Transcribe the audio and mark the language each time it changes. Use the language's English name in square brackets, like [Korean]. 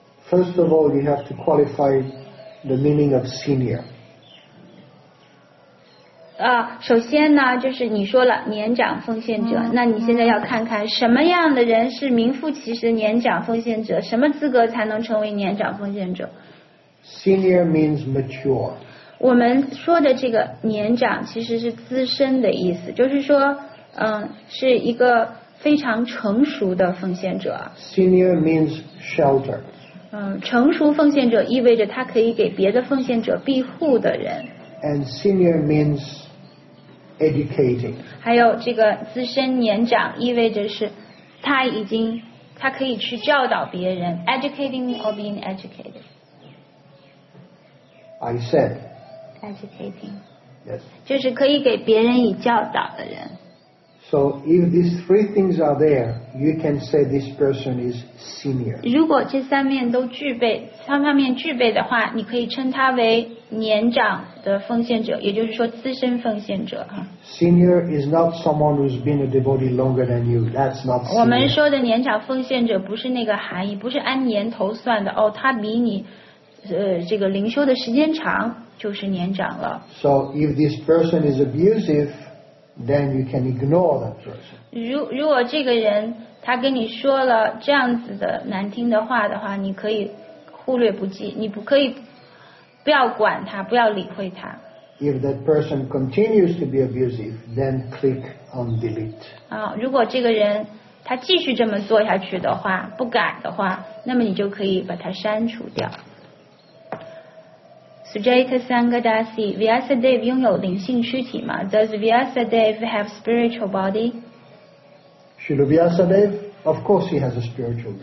[English] First of all, you have to qualify the meaning of senior. [Chinese] 首先呢，就是你说了年长奉献者，那你现在要看看什么样的人是名副其实年长奉献者，什么资格才能成为年长奉献者 [English] ？Senior means mature。 [Chinese] 我们说的这个年长其实是资深的意思，就是说，是一个非常成熟的奉献者。 [English] Senior means shelter。 [Chinese] 成熟奉献者意味着他可以给别的奉献者庇护的人。 [English] And senior means educating. [Chinese] 还有这个资深年长意味着是他已经他可以去教导别人 [English] educating or being educated. I said. Educating. Yes. [Chinese] 就是可以给别人以教导的人。 [English] So if these three things are there, you can say this person is senior. [Chinese] 如果这三面都具备，三方面具备的话，你可以称他为年长的奉献者，也就是说资深奉献者。 [English] Senior is not someone who's been a devotee longer than you. That's not senior. [Chinese] 我们说的年长奉献者不是那个含义，不是按年头算的。哦，他比你，这个灵修的时间长，就是年长了。 [English] So if this person is abusive,Then you can ignore that person. [Chinese] 如果这个人他跟你说了这样子的难听的话的话，你可以忽略不计，你不可以不要管他，不要理会他。 [English] If that person continues to be abusive, then click on delete. [Chinese] 如果这个人他继续这么做下去的话，不改的话，那么你就可以把他删除掉。 [English] Sujata Sangadasi, Vyasadev [Chinese] 拥有灵性躯体吗 [English] ？Does Vyasadev have spiritual body? Srila Vyasadev, of course he has a spiritual body.